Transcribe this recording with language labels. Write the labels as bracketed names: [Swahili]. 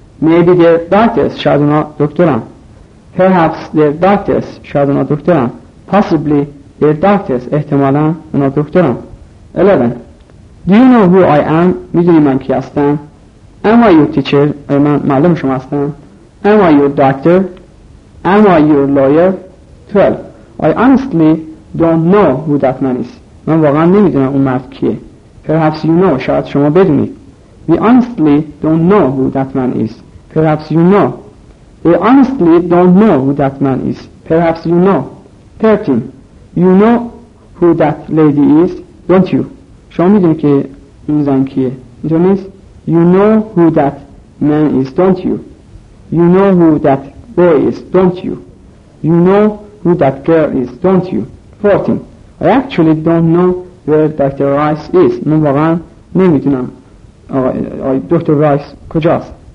[English] Maybe they're doctors. [Persian] شاید اونا دکترن. [English] Perhaps they're doctors. شاید اونا دکترن. Possibly they're doctors. [Persian] احتمالا اونا دکترن. [English] 11. Do you know who I am? [Persian] میدونی من کی هستم؟ [English] Am I your teacher? [Persian] آیا من معلم شما هستم؟ [English] Am I your doctor? Am I your lawyer? 12. I honestly don't know who that man is. [Persian] من واقعا نمیدونم اون مرد کیه. [English] Perhaps you know. [Persian] شاید شما بدونید. [English] We honestly don't know who that man is. Perhaps you know. We honestly don't know who that man is. Perhaps you know. 13. You know who that lady is, don't you? [Persian] شما میدونی که اون زن کیه. اینطور نیست؟ [English] You know who that man is, don't you? You know who that boy is, don't you? You know who that girl is, don't you? 14. I actually don't know where Dr. Rice is. [Persian] من واقعا نمیدونم دکتر رایس کجاست.